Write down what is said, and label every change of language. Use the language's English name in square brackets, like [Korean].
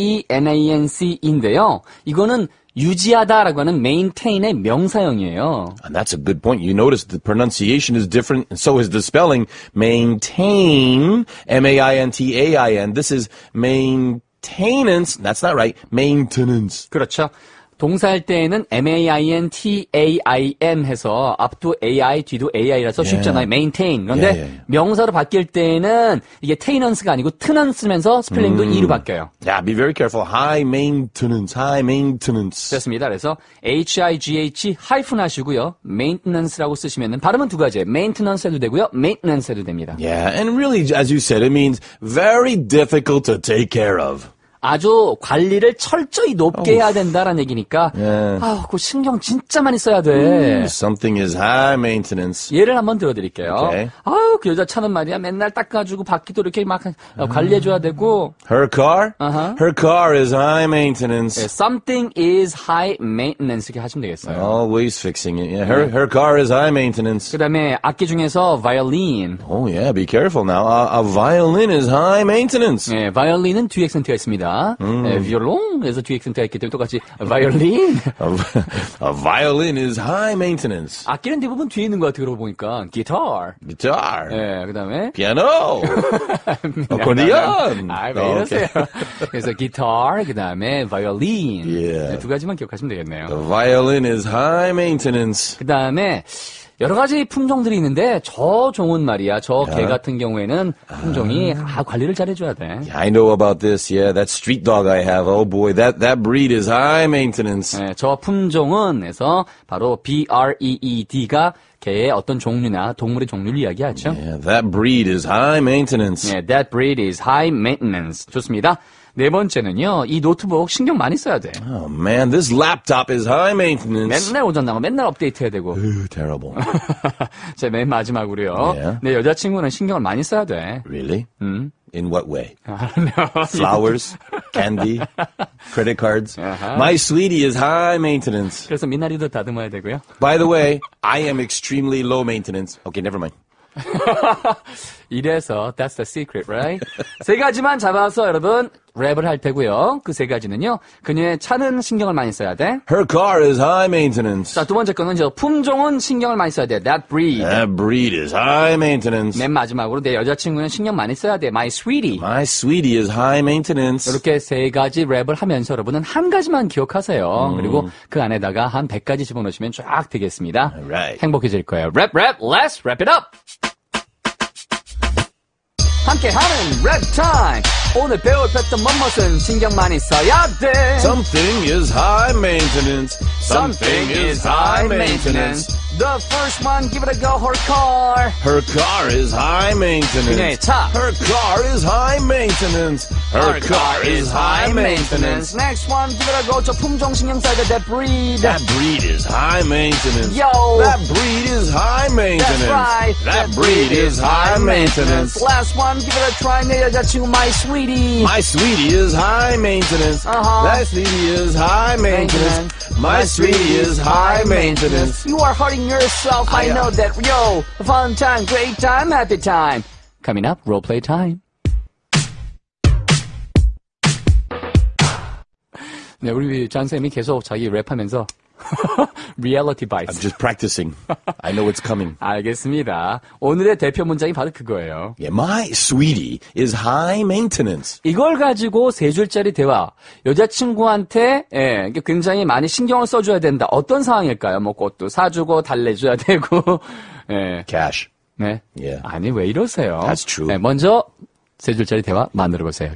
[Korean] maintenance인데요. 이거는 유지하다라고 하는 maintain의 명사형이에요. [English] And that's a good point. You notice the pronunciation is different, and so is the spelling. Maintain, maintain. This is maintenance. That's not right. Maintenance. [Korean] 그렇죠. 동사할 때에는 maintain 해서 앞도 ai, 뒤도 ai라서 yeah. 쉽잖아요. Maintain. 그런데 yeah, yeah, yeah. 명사로 바뀔 때에는 이게 tenance가 아니고 tenance면서 스펠링도 e로 바뀌어요. [English] Yeah, be very careful. High maintenance, high maintenance. [Korean] 됐습니다. 그래서 h-i-g-h 하이픈 하시고요. maintenance라고 쓰시면 발음은 두 가지예요. maintenance 해도 되고요. maintenance 해도 됩니다. [English] Yeah, and really, as you said, it means very difficult to take care of. [Korean] 아주 관리를 철저히 높게 해야 된다라는 얘기니까 yeah. 아, 그 신경 진짜 많이 써야 돼. [English] Something is high maintenance. [Korean] 예를 한번 들어드릴게요. Okay. 아, 그 여자 차는 말이야 맨날 닦아주고 바퀴도 이렇게 막 관리해줘야 되고. [English] Her car? Uh-huh. Her car is high maintenance. Yeah, something is high maintenance [Korean] 이렇게 하시면 되겠어요. [English] Always fixing it. Yeah. Her car is high maintenance. [Korean] 그다음에 악기 중에서 violin. [English] Oh yeah, be careful now. A violin is high maintenance. [Korean] 예, 바이올린은 뒤에 액센트가 있습니다. 비올롱에서 뒤에 액센트가 있기 때문에 똑같이 바이올린. [English] A violin is high maintenance. [Korean] 악기는 대부분 뒤에 있는 것 같아요. 그러고 보니까 guitar. [English] Guitar. [Korean] 네, 그다음에 [English] piano. [Korean] accordion. 아, 왜 이러세요? 그래서 guitar, 그다음에 violin. Yeah. 두 가지만 기억하시면 되겠네요. [English] The violin is high maintenance. [Korean] 그다음에 여러 가지 품종들이 있는데 저 종은 말이야. 저 yeah. 개 같은 경우에는 품종이 아, 관리를 잘 해줘야 돼. [English] Yeah, I know about this. Yeah, that street dog I have. Oh boy, that breed is high maintenance. [Korean] 네, 저 품종은 해서 바로 breed가 개의 어떤 종류나 동물의 종류를 이야기하죠. [English] Yeah, that breed is high maintenance. 네, that breed is high maintenance. [Korean] 좋습니다. 네 번째는요. 이 노트북 신경 많이 써야 돼. [English] Oh man, this laptop is high maintenance. [Korean] 맨날 오전나고 맨날 업데이트 해야 되고. [English] Terrible. [Korean] 제 맨 마지막으로요. Yeah. 내 여자친구는 신경을 많이 써야 돼. [English] Really? In what way? I don't know. Flowers, candy, credit cards. Uh-huh. My sweetie is high maintenance. [Korean] 그래서 미나리도 다듬어야 되고요. [English] By the way, I am extremely low maintenance. Okay, never mind. 이래서 that's the secret, right? [Korean] 세 가지만 잡아서 여러분 랩을 할 테고요. 그 세 가지는요. 그녀의 차는 신경을 많이 써야 돼. [English] Her car is high maintenance. [Korean] 자, 두 번째 거는 저 품종은 신경을 많이 써야 돼. [English] That breed. That breed is high maintenance. [Korean] 맨 마지막으로 내 여자친구는 신경 많이 써야 돼. [English] My sweetie. My sweetie is high maintenance. [Korean] 이렇게 세 가지 랩을 하면서 여러분은 한 가지만 기억하세요. 그리고 그 안에다가 한 100가지 집어넣으시면 쫙 되겠습니다. [English] Right. [Korean] 행복해질 거예요. [English] Rap, rap, let's wrap it up. [Korean] 함께하는 랩 타임. 오늘 배울 패턴 멋멋은 신경 많이 써야 돼. [English] Something is high maintenance. Something is high maintenance. The first one, give it a go, her car. Her car is high maintenance. [Korean] 그녀의 차. [English] Her car is high maintenance. Her car is high maintenance. Next one, give it a go, [Korean] 저 품종 신경 써야 돼, [English] that breed. That breed is high maintenance. Yo. That breed is high maintenance. That's right. That breed is high maintenance. Last one, give it a try, [Korean] 내 여자친구, [English] my sweetie. My sweetie is high maintenance. Uh-huh. My sweetie is high maintenance. My sweetie is high maintenance. You are hurting yourself, I know that. Yo, fun time, great time, happy time. Coming up, role play time. [Korean] 네, 우리 장 선생님이 계속 자기 랩하면서 [English] reality bites. I'm just practicing. I know it's coming. [Korean] 알겠습니다. 오늘의 대표 문장이 바로 그거예요. [English] Yeah, my sweetie is high maintenance. [Korean] 이걸 가지고 세 줄짜리 대화. 여자친구한테 예, 굉장히 많이 신경을 써줘야 된다. 어떤 상황일까요? 뭐 꽃도 사주고 달래줘야 되고. 예. [English] Cash. [Korean] 네. Yeah. 아니 왜 이러세요? [English] That's true. [Korean] 네, 먼저 세 줄짜리 대화 만들어보세요.